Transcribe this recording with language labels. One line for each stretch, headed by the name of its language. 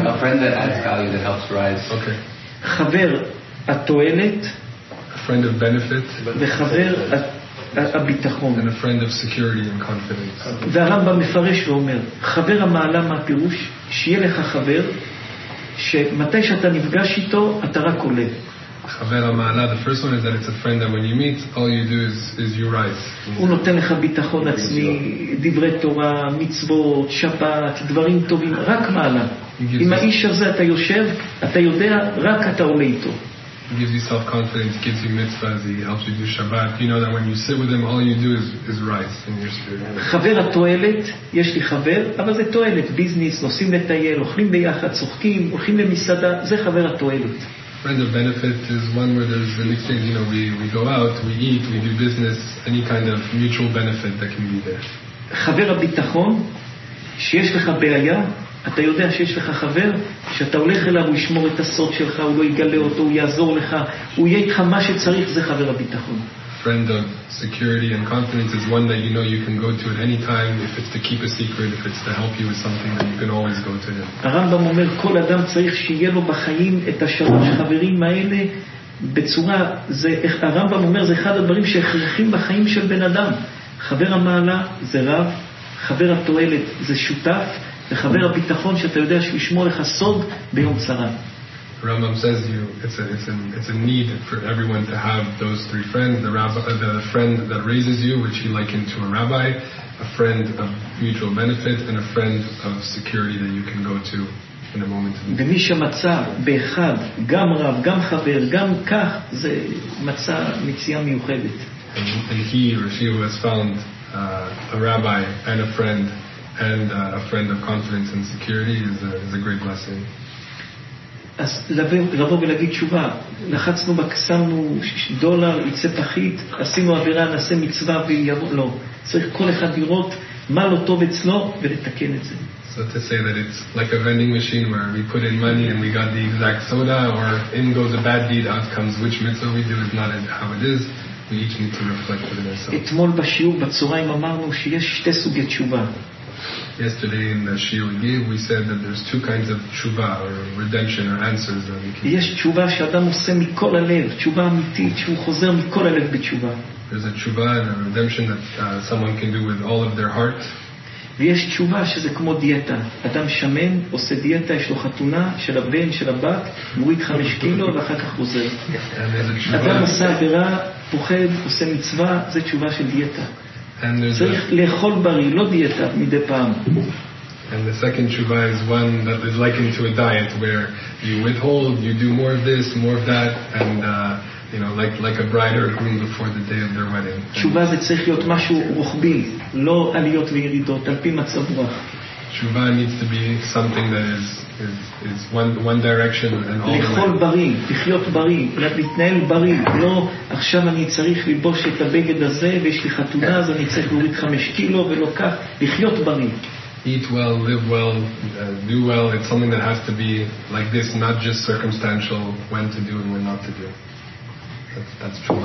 English: A friend that adds value, that helps rise. Okay.
Hebrew: חבר התועלת.
English: A friend of benefit.
Hebrew: וחבר הביטחון.
English: And a friend of security and confidence.
Hebrew: והרמב"ם מפרש ואומר, חבר המעלה מהפירוש, שיהיה לך חבר שמתי שאתה נפגש איתו אתה רק עולה. חבר המעלה,
English: the first one is that it's a friend that when you meet all you do is you rise.
Hebrew: הוא נותן לך ביטחון עצמי, דברי תורה, מצוות, שבת, דברים טובים, רק מעלה. עם האיש הזה אתה יושב, אתה יודע, רק אתה עולה איתו.
English: Gives you self-confidence, gives you mitzvahs, he helps you do Shabbat. You know that when you sit with him, all you do is rise in your spirit.
Hebrew: חבר התועלת, יש לי חבר, אבל זה תועלת. ביזנס, נוסעים לטייל, אוכלים ביחד, צוחקים, הולכים למסעדה, זה חבר התועלת.
English: Friend of benefit is one where there's an exchange, you know, we go out, we eat, we do business, any kind of mutual benefit that can be there.
Hebrew: חבר הביטחון, שיש לך בעיה, אתה יודע שיש לך חבר שאתה הולך אליו, הוא ישמור את הסוד שלך, הוא לא יגלה אותו, הוא יעזור לך, הוא יהיה איתך מה שצריך, זה חבר הביטחון.
English: Friend of security and confidence is one that you know you can go to at any time, if it's to keep a secret, if it's to help you with something, then you can always go to him.
Hebrew: הרמב"ם אומר כל אדם צריך שיהיה לו בחיים את השלוש חברים האלה בצורה, זה הרמב"ם אומר זה אחד הדברים שהכרחים בחיים של בן אדם. חבר המעלה זה רב, חבר התועלת זה שותף, וחבר הביטחון שאתה יודע שישמור לך סוד ביום צרה.
English: Rambam says you it's a need for everyone to have those three friends, the rabbi, the friend that raises you, which he likened to a rabbi, a friend of mutual benefit, and a friend of security that you can go to in a moment of need.
Hebrew: ומי שמצא באחד גם רב גם חבר גם כך, זה מצא מציאה מיוחדת.
English: And he or she who has found a rabbi and a friend and a friend of confidence and security is a great blessing.
Hebrew: אז לבוא ולהגיד תשובה, לחצנו בקסמנו דולר יצא פחית, עשינו עבירה, נעשה מצווה ויבוא, לא, צריך כל אחד לראות מה לא טוב אצלו ולתקן את זה.
English: So to say that it's like a vending machine where we put in money and we got the exact soda, or in goes a bad deed, out comes which mitzvah we do is not how it is. We each need to reflect within ourselves.
Hebrew: אתמול בשיעור בצהריים אמרנו שיש שתי סוגי תשובה.
English: Yesterday in the shiur we gave, we said that there's two kinds of tshuva or redemption or answers that we can.
Hebrew: יש תשובה שאדם עושה מכל הלב, תשובה אמיתית שהוא חוזר מכל הלב בתשובה.
English: There's a tshuva and a redemption that someone can do with all of their heart.
Hebrew: ויש תשובה שזה כמו דיאטה. אדם שמן, עושה דיאטה, יש לו חתונה של הבן, של הבת, מוריד 5 קילו ואחר כך חוזר. אדם עושה עבירה, פוחד, עושה מצווה, זה תשובה של דיאטה. צריך לאכול בריא, לא דיאטה, מדי פעם.
English: And the second tshuva is one that is likened to a diet where you withhold, you do more of this, more of that, and you know, like a bride or a groom before the day of their wedding.
Hebrew: תשובה זה צריך להיות משהו רוחבי, לא עליות וירידות, על פי מצב רוח.
English: תשובה needs to be something that is one direction and all.
Hebrew: לאכול בריא, לחיות בריא, להתנהל בריא, לא עכשיו אני צריך ללבוש את הבגד הזה ויש לי חתונה אז אני צריך להוריד 5 קילו ולא כך, לחיות בריא.
English: Eat well, live well, do well. It's something that has to be like this, not just circumstantial, when to do and when not to do. That's true.